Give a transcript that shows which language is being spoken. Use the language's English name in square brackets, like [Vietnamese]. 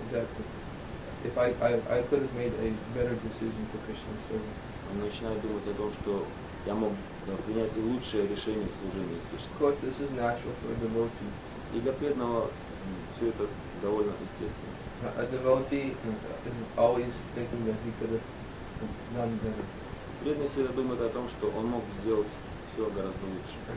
[English] Exactly. If I could have made a better decision for Krishna's sake. [Russian] Он начинает думать о том, что я мог принять лучшее решение в служении Кришне. [English] Of course, this is natural for a devotee. [Russian] И для преданного все это довольно естественно. [English] A devotee is always thinking that he could have done better. [Russian] Преданный всегда думает о том, что он мог сделать все гораздо лучше.